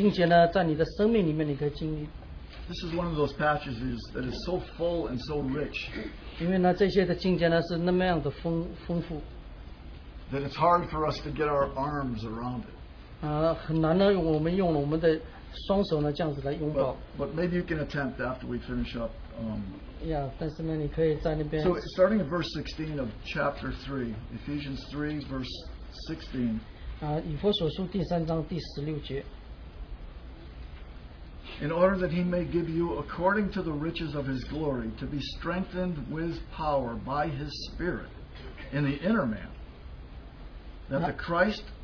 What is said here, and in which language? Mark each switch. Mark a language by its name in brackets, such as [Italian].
[Chinese] 我想呢，让每一位弟兄姊妹都能够来掌握这些的经节呢，在你的生命里面你可以经历。 [English] This is one of those passages that is so full and so rich. [Chinese] 因为呢，这些的经节呢是那么样的丰富。 [English] That it's hard for us to get our arms around it. [Chinese] 很难呢，我们用了我们的双手呢，这样子来拥抱。 [English] But maybe you can attempt after we finish up. [Chinese] Yeah, 但是呢，你可以在那边。 [English] So starting at verse 16 of chapter 3, Ephesians 3, verse 16. [Chinese] 以弗所书第三章第16节。 [English] In order that he may give you according to the riches of his glory, to be strengthened with power by his spirit in the inner man, that the Christ.